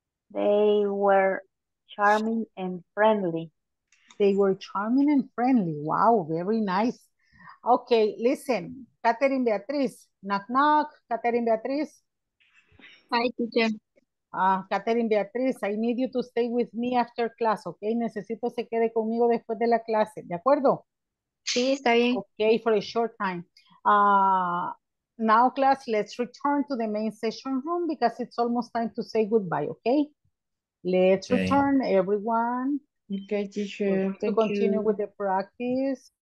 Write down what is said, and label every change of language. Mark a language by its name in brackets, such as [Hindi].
[English] They were charming and friendly. They were charming and friendly. Wow, very nice. Okay, listen. Catherine Beatriz. Knock, knock. Catherine Beatriz. Hi, teacher. Catherine Beatriz, I need you to stay with me after class, okay? [Spanish] Necesito se quede conmigo después de la clase, ¿de acuerdo? Sí, está bien. [English] Okay, for a short time. Now, class, let's return to the main session room because it's almost time to say goodbye, okay? Let's return, everyone. Okay, teacher. To continue with the practice.